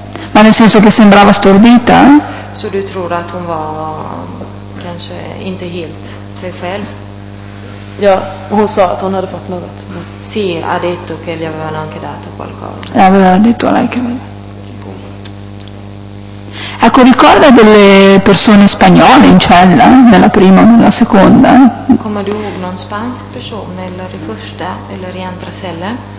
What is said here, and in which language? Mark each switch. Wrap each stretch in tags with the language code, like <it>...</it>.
<it>Ma nel senso che sembrava stordita?</it> <sv>Så du tror att hon var kanske inte helt sig själv? Ja, hon sa att hon hade fått något.</sv> <it>Sì, ha detto che gli avevano anche dato qualcosa. Aveva detto lei che... Ecco, ricorda delle persone spagnole in cella, nella prima o nella seconda?</it> <sv>Come du ihåg någon spansk person eller i första eller i andra cellen?</sv>